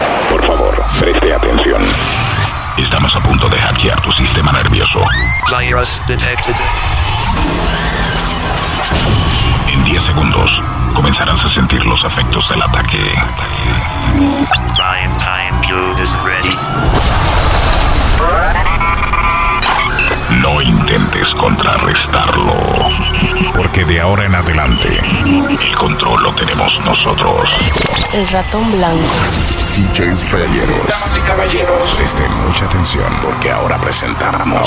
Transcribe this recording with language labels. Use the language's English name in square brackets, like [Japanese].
[Spanish] Por favor, preste atención. Estamos a punto de hackear tu sistema nervioso. [English] Virus detected. [Spanish] En 10 segundos, comenzarás a sentir los efectos del ataque. [English] Prime time cube is ready. [Spanish] No intentes contrarrestarlo, porque de ahora en adelante, el control lo tenemos nosotros. El ratón blanco. DJs Felleros. Damas y caballeros, presten mucha atención, porque ahora presentamos.